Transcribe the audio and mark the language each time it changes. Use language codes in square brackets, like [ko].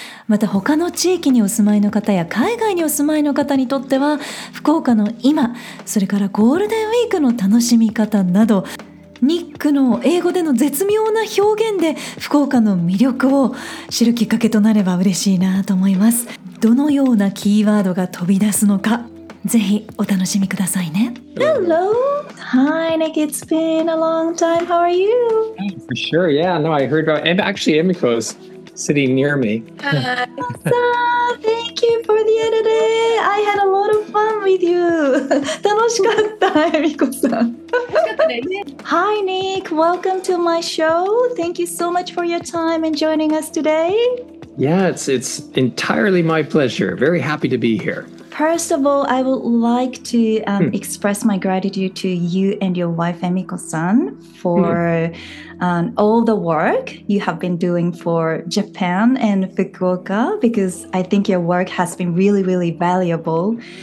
[ja] また他の地域にお住まいの方や海外にお住まいの方にとっては福岡の今、それからゴールデンウィークの楽しみ方など、ニックの英語での絶妙な表現で福岡の魅力を知るきっかけとなれば嬉しいなと思います。どのようなキーワードが飛び出すのか、ぜひお楽しみくださいね。 [en] Hello! Hi Nick, it's been a long time. How are you? For sure, yeah. No, I heard about... And actually, Emiko's sitting near me. Awesome! Thank you for the edit! I had a lot of fun with you! [ja] 楽しかった、Emiko-san! [en] Hi Nick, welcome to my show. Thank you so much for your time and joining us today. Yeah, it's entirely my pleasure. Very happy to be here. First of all, I would like to express my gratitude to you and your wife, Emiko-san, for all the work you have been doing for Japan and Fukuoka, because I think your work has been really, really valuable.